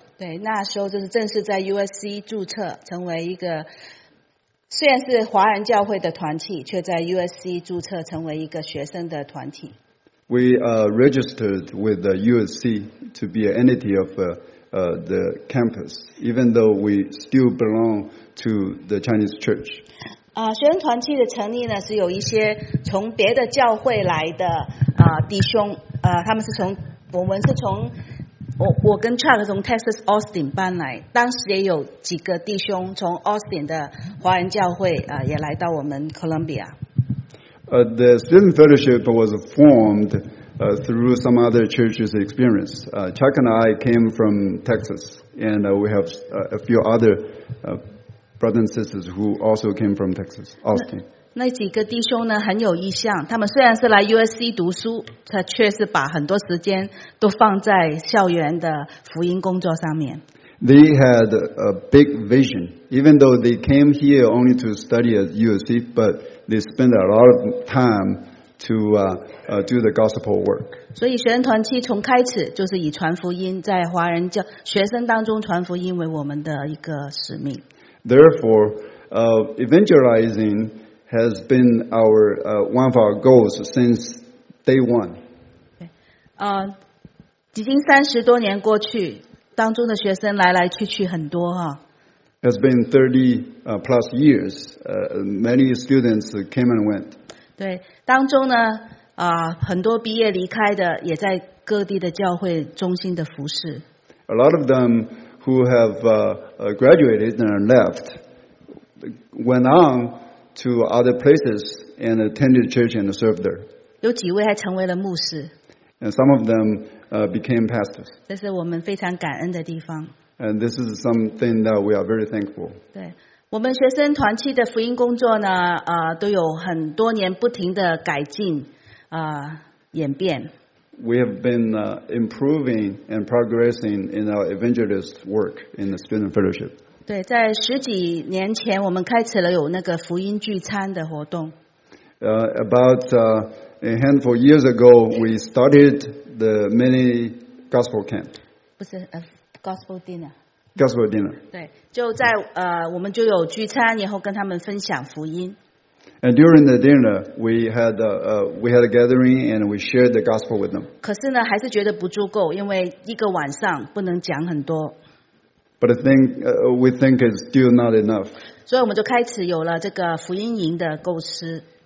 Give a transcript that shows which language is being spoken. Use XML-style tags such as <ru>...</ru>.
<zh>对，那时候就是正式在 USC 注册，成为一个虽然是华人教会的团体，却在 USC 注册成为一个学生的团体。</zh> <en>We registered with the USC to be an entity of the campus, even though we still belong to the Chinese church.</en> <zh>学生团契的成立呢，是有一些从别的教会来的弟兄，他们是从我们是从我跟 Chuck 从 Texas Austin 搬来，当时也有几个弟兄从 Austin 的华人教会也来到我们 Columbia.</zh> <en>The student fellowship was formed. Through some other churches' experience. Chuck and I came from Texas, and we have a few other brothers and sisters who also came from Texas, Austin.</en> <zh>那几个弟兄呢很有意向，他们虽然是来 USC 读书，他却是把很多时间都放在校园的福音工作上面。</zh> <en>They had a big vision, even though they came here only to study at USC, but they spent a lot of time to do the gospel work.</en> <zh>所以学生团契从开始就是以传福音，在华人教学生当中传福音为我们的一个使命。</zh> <en>Therefore, evangelizing has been our one of our goals since day one.</en> <zh>已经三十多年过去。当中的学生来来去去很多哈。</zh> <en>It's been 30 plus years. Many students came and went.</en> <zh>对，当中呢，很多毕业离开的也在各地的教会中心的服事。</zh> <en>A lot of them who have graduated and left went on to other places and attended church and served there.</en> <zh>有几位还成为了牧师。</zh> <en>And some of them became pastors.</en> <zh>这是我们非常感恩的地方。</zh> <en>And this is something that we are very thankful.</en> <zh>对，我们学生团契的福音工作呢，都有很多年不停的改进，演变。</zh> <en>We have been improving and progressing in our evangelist work in the student fellowship.</en> <zh>对，在十几年前，我们开始了有那个福音聚餐的活动。</zh> <en>A handful of years ago, we started the mini gospel camp.</en> <zh>不是</zh> <en>gospel dinner. Gospel dinner.</en> <zh>对，就在我们就有聚餐，然后跟他们分享福音。</zh> <en>And during the dinner, we had a gathering and we shared the gospel with them.</en> <zh>可是呢，还是觉得不足够，因为一个晚上不能讲很多。</zh> <en>But we think it's still not enough.</en> <zh>所以我们就开始有了这个福音营的构思。</zh>